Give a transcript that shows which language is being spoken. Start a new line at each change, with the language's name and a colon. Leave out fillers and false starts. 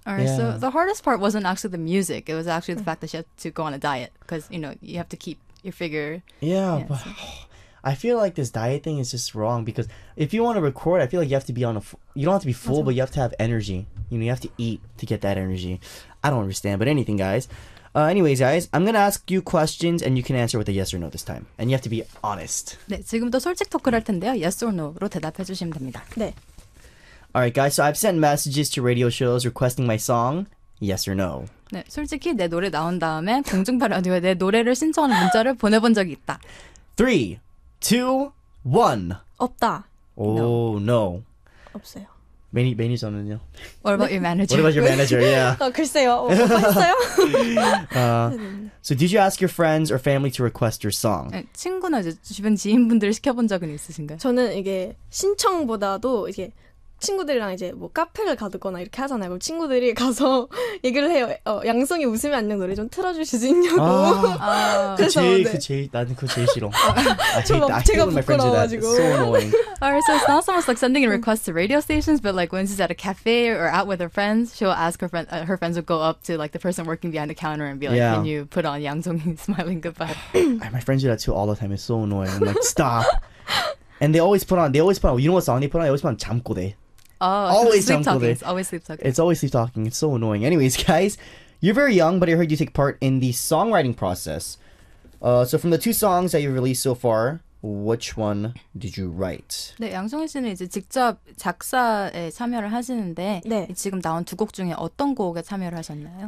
English: Alright, yeah. So the hardest part wasn't actually the music. It was actually the fact that she had to go on a diet because, you know, you have to keep your figure. Yeah, but... I feel like this diet thing is just wrong because if you want to record, I feel like you have to be on a... You don't have to be full, but you have to have energy. You know, you have to eat to get that energy. I don't understand, but anything, guys. Anyways, guys, I'm going to ask you questions and you can answer with a yes or no this time. And you have to be honest.
Korean: 네, 지금도 솔직 토크를 할 텐데요.
English: Yes or no
Korean: 로 대답해 주시면 됩니다. 네.
English: Alright, guys, so I've sent messages to radio shows requesting my song. Yes or no.
Korean: 네, 솔직히 내 노래 나온 다음에 공중파 라디오에 내 노래를 신청하는 문자를 보내본 적이 있다. 3, 2, 1 없다.
English: Oh no.
Korean: 없어요. 매니저는요?
English: What about your manager? What about your manager? Yeah.
Korean: 글쎄요. 없어요.
English: So did you ask your friends or family to request your song?
Korean: 친구나 이제 주변 지인분들 시켜본 적은 있으신가요? 저는 이게 신청보다도 이게 친구들이랑 이제 뭐 카페를 가두거나 이렇게 하잖아요. 그럼 친구들이 가서 얘기를 해요. 양송이 웃으면 안녕 노래 좀 틀어주실 수 있냐고. 그 제일 싫어. 제가 부끄러워가지고.
English: So annoying. Alright, so it's not so much like sending a request to radio stations, but like when she's at a cafe or out with her friends, she'll ask her friend. Her friends will go up to like the person working behind the counter and be like, yeah. "Can you put on Yang Zhong Smiling Goodbye?" My friends do that too all the time. It's so annoying. I'm like, stop. And they always put on. You know what song they put on? They always put on 잠꼬대. Oh, always sleep talking. It's always sleep talking. It's always sleep talking. It's so annoying. Anyways, guys, you're very young, but I heard you take part in the songwriting process. So from the two songs that you've released so far, Which one did you write?
Korean: 네, 양송이 씨는 이제 직접 작사에 참여를 하시는데 네. 지금 나온 두 곡 중에 어떤 곡에 참여를 하셨나요?